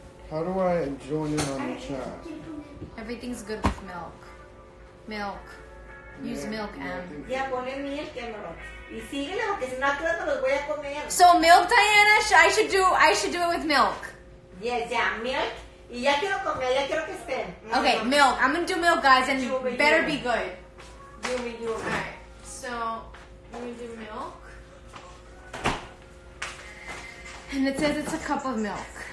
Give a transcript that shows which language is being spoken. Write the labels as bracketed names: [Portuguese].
[English] How do I join in on the chat? Everything's good with milk. Milk. Use milk, Em. [Spanish] Yeah, ponle milk, Emeraude. Y síguele, porque si no, los voy a comer. [English] So milk, Diana, I should do it with milk. Yes, yeah, milk. [Spanish] Y ya quiero comer, ya quiero que estén. [English] Okay, milk. I'm going to do milk, guys, and yubi, better yubi. Be good. Yubi, yubi. All right, so we do milk. And it says it's a cup of milk.